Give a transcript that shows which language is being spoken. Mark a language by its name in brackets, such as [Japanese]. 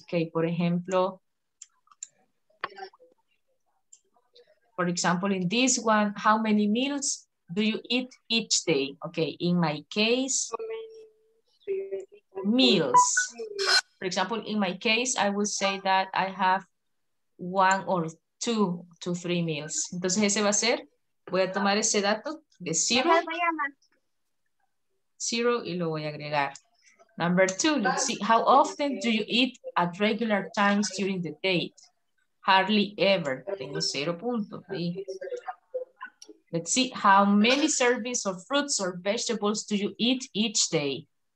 [English] Okay, [Spanish] por ejemplo, [English] in this one, how many meals do you eat each day? Okay, in my case, meals. For example, in my case, I would say that I have one or two to three meals. [Spanish] Entonces, ese va a ser, voy a tomar ese dato de zero. Zero y lo voy a agregar. [English] Number two, let's see, how often do you eat at regular times during the day? Hardly ever. [Spanish] Tengo 0 puntos. ¿Sí? [English] Let's see, how many servings of fruits or vegetables do you eat each day?